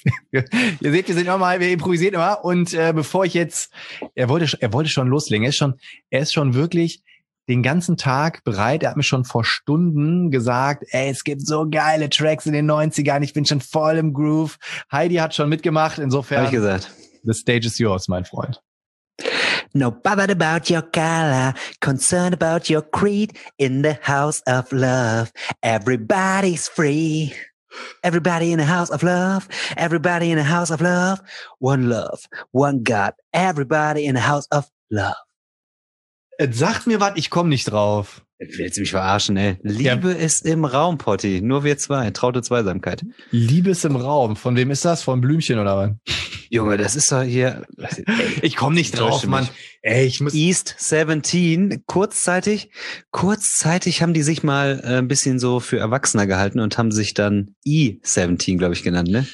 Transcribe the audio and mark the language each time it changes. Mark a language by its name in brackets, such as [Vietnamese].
[German] Ihr seht, wir improvisieren immer. Und bevor ich jetzt, er wollte schon loslegen. Er ist schon wirklich den ganzen Tag bereit. Er hat mir schon vor Stunden gesagt, ey, es gibt so geile Tracks in den 90ern. Ich bin schon voll im Groove. Heidi hat schon mitgemacht. Insofern, hab ich gesagt. [English] The stage is yours, [German] mein Freund. [English] No bothered about your color, concerned about your creed, in the house of love, everybody's free. Everybody in the house of love, everybody in the house of love, one God, everybody in the house of love. [German] Sagt mir was, ich komme nicht drauf. Willst du mich verarschen, ey? Liebe ja. Ist im Raum, Potti, nur wir zwei, traute Zweisamkeit. Liebe ist im Raum, von wem ist das? Von Blümchen oder was? Junge, das ist doch hier... Ich komme nicht drauf, Mann. Ey, ich muss East 17, kurzzeitig haben die sich mal ein bisschen so für Erwachsener gehalten und haben sich dann E-17, glaube ich, genannt, ne?